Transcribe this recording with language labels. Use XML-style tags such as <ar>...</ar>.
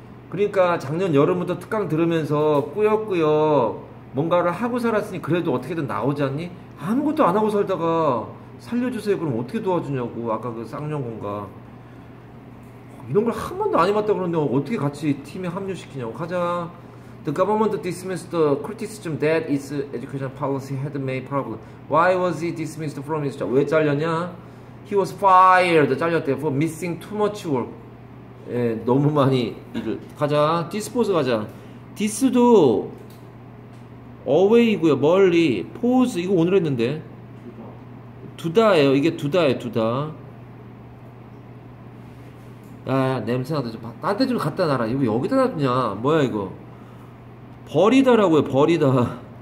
<ko>그러니까 작년 여름부터 특강 들으면서 꾸역꾸역 뭔가를 하고 살았으니 그래도 어떻게든 나오지 않니? 아무것도 안 하고 살다가 살려주세요 그럼 어떻게 도와주냐고. 아까 그 쌍용군가 이런 걸 한 번도 안 해봤다 그러는데 어떻게 같이 팀에 합류시키냐고. 가자.</ko> <en>The government dismissed the criticism that its education policy had made problem. Why was he dismissed from his job?</en> <ko>왜 잘렸냐?</ko> <en>He was fired.</en> <ko>잘렸대.</ko> <en>For missing too much work.</en> <ko>예, 너무 많이 일을. 가자. Dispose 가자. Dis도 away고요. 멀리. Pose 이거 오늘 했는데. 두다예요. 이게 두다예요. 두다. 야야 냄새나다. 좀 나한테 좀 갖다 놔라. 이거 여기다 놔두냐. 뭐야 이거. 버리다라고요. 버리다.</ko>